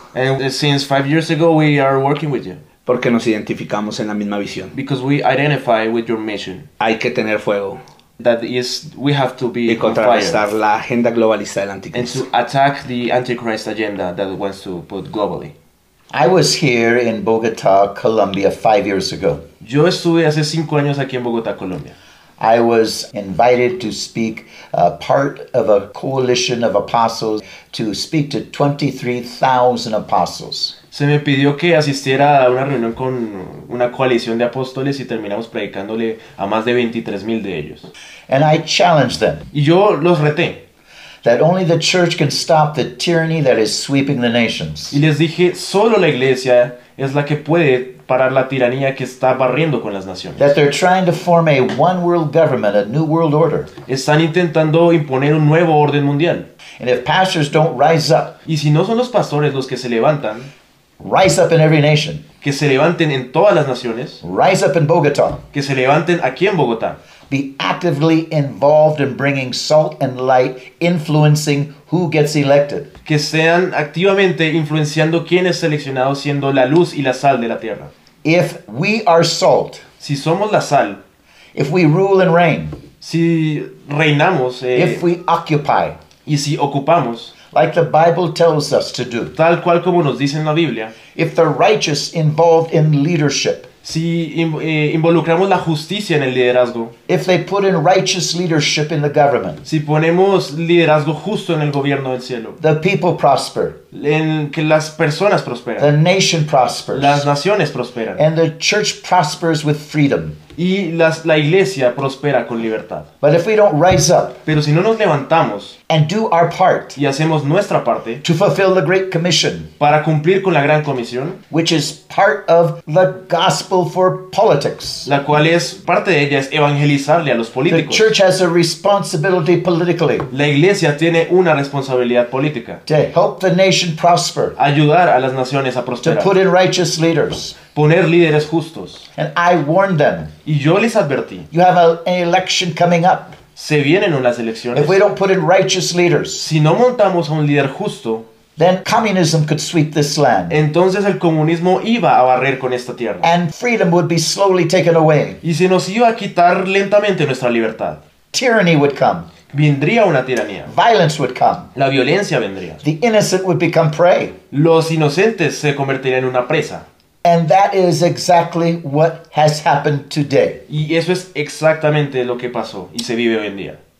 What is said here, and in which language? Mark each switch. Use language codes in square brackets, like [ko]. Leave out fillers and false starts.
[en] And since 5 years ago, we are working with you. [es] Porque nos identificamos en la misma visión. [en] Because we identify with your mission. [es] Hay que tener fuego. [en] That is, we have to be [es] y contrarrestar la agenda globalista del anticristo. [en] And to attack the antichrist agenda that wants to put globally. I was here in Bogotá, Colombia, 5 years ago. [es] Yo estuve hace 5 años aquí en Bogotá, Colombia. [en] I was invited to speak part of a coalition of apostles to speak to 23,000 apostles. [es] Se me pidió que asistiera a una reunión con una coalición de apóstoles y terminamos predicándole a más de 23,000 de ellos. [en] And I challenged them. [es] Y yo los reté. [en] That only the church can stop the tyranny that is sweeping the nations. [es] Y les dije, solo la iglesia es la que puede parar la tiranía que está barriendo con las naciones. [en] That they're trying to form a one world government, a new world order. [es] Están intentando imponer un nuevo orden mundial. [en] And if pastors don't rise up, [es] y si no son los pastores los que se levantan, [en] rise up in every nation. [es] Que se levanten en todas las naciones. [en] Rise up in Bogotá. [es] Que se levanten aquí en Bogotá. [en] Be actively involved in bringing salt and light, influencing who gets elected. [es] Que sean activamente influenciando quién es seleccionado, siendo la luz y la sal de la tierra. [en] If we are salt, [es] si somos la sal, [en] if we rule and reign, [es] si reinamos, [en] if we occupy, [es] y si ocupamos, [en] like the Bible tells us to do, [es] tal cual como nos dice en la Biblia, [en] if the righteous involved in leadership, [es] si involucramos la justicia en el liderazgo, [en] if they put in righteous leadership in the government, [es] si ponemos liderazgo justo en el gobierno del cielo, [en] the people prosper, [es] en que las personas prosperan, [en] the nation prospers, [es] las naciones prosperan, [en] and the church prospers with freedom, [es] y la iglesia prospera con libertad. [en] But if we don't rise up, [es] pero si no nos levantamos, [en] and do our part, [es] y hacemos nuestra parte, [en] to fulfill the great commission, [es] para cumplir con la gran comisión, [en] which is part of the gospel for politics, [es] la cual es parte de ella es evangelizarle a los políticos. [en] The church has a responsibility politically, [es] la iglesia tiene una responsabilidad política, [en] to help the nation prosper, [es] ayudar a las naciones a prosperar, [en] to put in righteous leaders, [es] poner líderes justos. [en] And I warned them, [es] y yo les advertí, [en] you have an election coming up, [es] se vienen unas elecciones, [en] if we don't put in righteous leaders, [es] si no montamos a un líder justo, [en] then communism could sweep this land, [es] entonces el comunismo iba a barrer con esta tierra, [en] and freedom would be slowly taken away, [es] y se nos iba a quitar lentamente nuestra libertad. [en] Tyranny would come, [es] vendría una tiranía. [en] Violence would come, [es] la violencia vendría. [en] The innocent would become prey, [es] los inocentes se convertirían en una presa. [en] And that is exactly what has happened today. [es] Y eso es exactamente lo que pasó y se vive hoy en día.